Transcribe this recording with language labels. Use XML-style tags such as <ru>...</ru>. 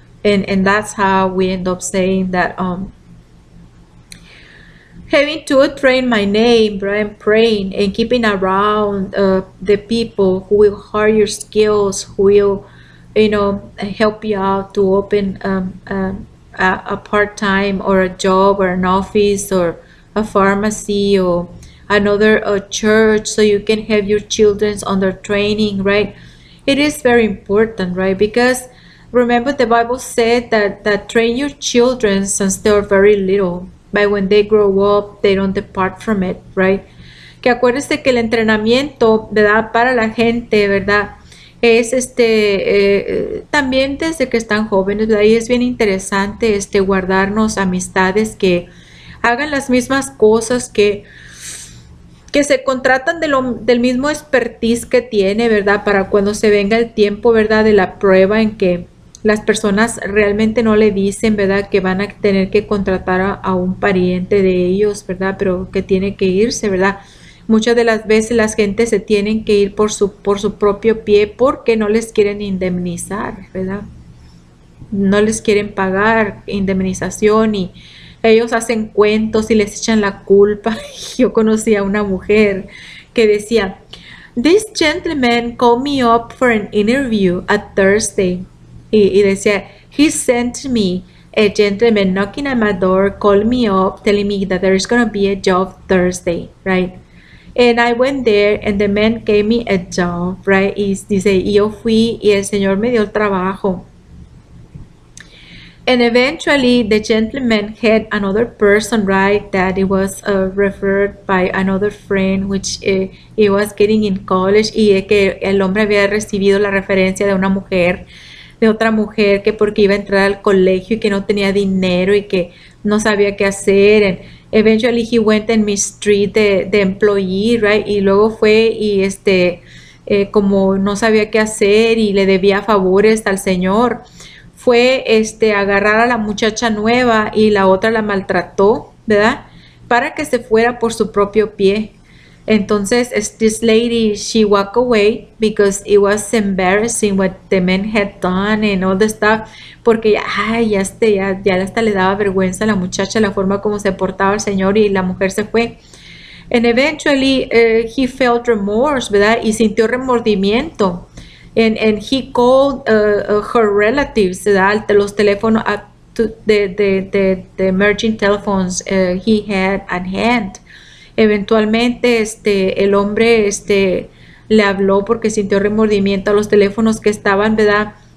<en>And that's how we end up saying that having to train my name, right, praying and keeping around the people who will hire your skills, who will, you know, help you out to open a part-time or a job or an office or a pharmacy or another church so you can have your children under training, right? It is very important, right? Because remember the Bible said that train your children since they are very little. But when they grow up, they don't depart from it, right?</en> <es>Que acuérdese que el entrenamiento, ¿verdad? Para la gente, ¿verdad? Es también desde que están jóvenes, ¿verdad? Y es bien interesante guardarnos amistades que hagan las mismas cosas, que se contratan del mismo expertise que tiene, ¿verdad? Para cuando se venga el tiempo, ¿verdad? De la prueba en que las personas realmente no le dicen, ¿verdad?, que van a tener que contratar a un pariente de ellos, ¿verdad?, pero que tiene que irse, ¿verdad? Muchas de las veces las gente se tienen que ir por su propio pie porque no les quieren indemnizar, ¿verdad? No les quieren pagar indemnización y ellos hacen cuentos y les echan la culpa. Yo conocí a una mujer que decía,</es> <en>This gentleman called me up for an interview at Thursday.</en> <es>Y decía,</es> <en>he sent me a gentleman knocking at my door, called me up, telling me that there is going to be a job Thursday, right? And I went there and the man gave me a job, right?</en> <es>Y dice, y yo fui y el señor me dio el trabajo.</es> <en>And eventually the gentleman had another person, right? That it was referred by another friend, which he was getting in college.</en> <es>Y que el hombre había recibido la referencia de una mujer, de otra mujer, que porque iba a entrar al colegio y que no tenía dinero y que no sabía qué hacer.</es> <en>And eventually he went and mistreated the employee, right?</en> <es>Y luego fue y como no sabía qué hacer y le debía favores al señor. Fue agarrar a la muchacha nueva y la otra la maltrató, ¿verdad? Para que se fuera por su propio pie.</es> <en>Entonces, this lady, she walked away because it was embarrassing what the man had done and all the stuff.</en> <es>Porque ya hasta le daba vergüenza a la muchacha la forma como se portaba el señor y la mujer se fue.</es> <en>And eventually, he felt remorse, ¿verdad?</en> <es>Y sintió remordimiento.</es> <en>And he called her relatives, ¿verdad?</en> <es>Los teléfonos,</es> <en>the emerging telephones he had at hand.</en> <es>Eventualmente, el hombre le habló porque sintió remordimiento a los teléfonos que estaban, ¿verdad?</es>